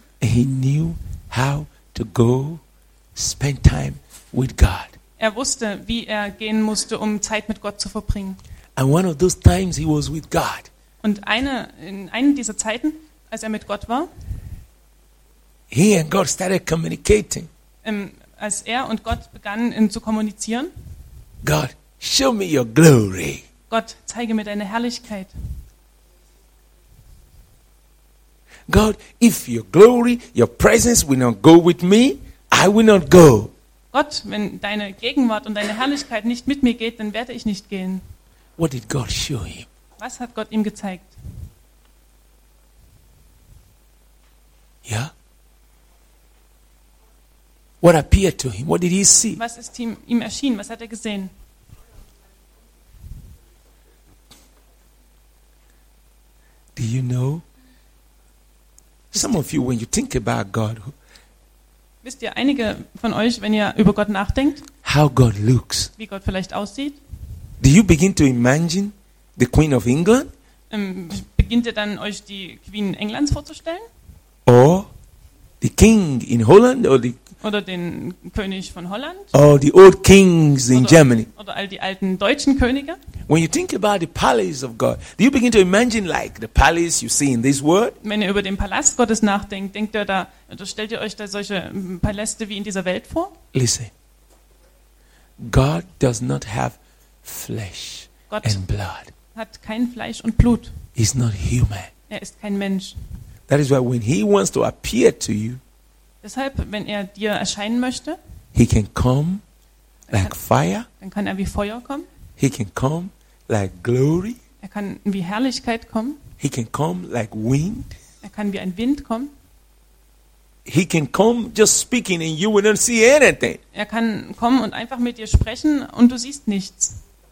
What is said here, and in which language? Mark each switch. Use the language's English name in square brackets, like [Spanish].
[English] He knew how to go spend time with God. [German] Er wusste, wie er gehen musste, um Zeit mit Gott zu verbringen. [English] And one of those times he was with God. [German] Und in einem dieser Zeiten als er mit Gott war. [English] He and God started communicating. [German] Als er und Gott begannen zu kommunizieren. [English] God, show me your glory. [German] Gott, zeige mir deine Herrlichkeit. [English] God, if your glory, your presence will not go with me, I will not go. [German] Gott, wenn deine Gegenwart und deine Herrlichkeit nicht mit mir geht, dann werde ich nicht gehen. [English] What did God show him? [German] Was hat Gott ihm gezeigt? Ja. [English] What appeared to him? What did he see? [German] Was ist ihm erschienen? Was hat er gesehen? [English] Do you know? Some of you, when you think about God, [German] wisst ihr, einige von euch, wenn ihr über Gott nachdenkt, [English] how God looks, [German] wie Gott vielleicht aussieht, [English] do you begin to imagine the Queen of England? [German] Beginnt ihr dann euch die Queen Englands vorzustellen? [English] Or the King in Holland? [German] Oder den König von Holland? [English] Or the old kings in Germany? [German] Oder all die alten deutschen Könige? [English] When you think about the palace of God, do you begin to imagine like the palace you see in this world? [German] Wenn ihr über den Palast Gottes nachdenkt, denkt ihr da, oder stellt ihr euch da solche Paläste wie in dieser Welt vor? [English] Listen. God does not have flesh [German] Gott [English] and blood. [German] Hat kein Fleisch und Blut. [English] He's not human. [German] Er ist kein Mensch. [English] That is why when he wants to appear to you, [German] deshalb, wenn er dir erscheinen möchte, [English] he can come like fire. [German] Dann kann er wie Feuer kommen. [English] He can come like glory. [German] Er kann wie Herrlichkeit kommen. [English] He can come like wind. [German] Er kann wie ein Wind kommen. [English] He can come just speaking and you will not see anything. [German] Er kann kommen und einfach mit dir sprechen und du siehst nichts.